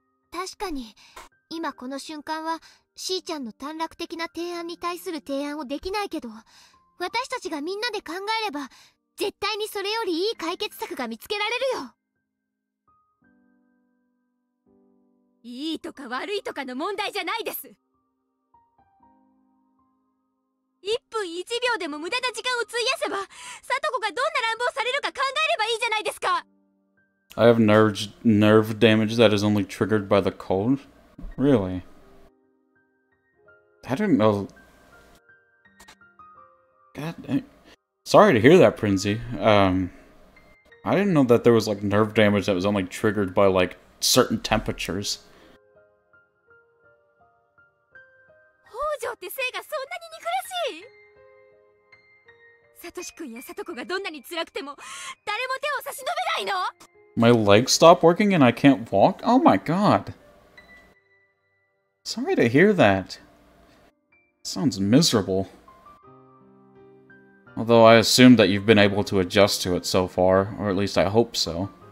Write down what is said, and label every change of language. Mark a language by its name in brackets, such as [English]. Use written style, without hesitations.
[Japanese] 確かに、今この瞬間は、しーちゃんの短絡的な提案に対する提案をできないけど、私たちがみんなで考えれば、絶対にそれよりいい解決策が見つけられるよ。いいとか悪いとかの問題じゃないです。1分1秒でも無駄な時間を費やせば、サトコがどんな乱暴されるか考えればいいじゃないですか。 [English] I have nerve damage that is only triggered by the cold? Really? I didn't know. God dang. Sorry to hear that, Prinzy. I didn't know that there was like nerve damage that was only triggered by like certain temperatures. [Japanese] Hojo って性がそんなに憎らしい？サトシ君やサトコがどんなに辛くても誰も手を差し伸べないの？ [English] My legs stop working and I can't walk? Oh my god. Sorry to hear that. Sounds miserable. Although I assume that you've been able to adjust to it so far, or at least I hope so.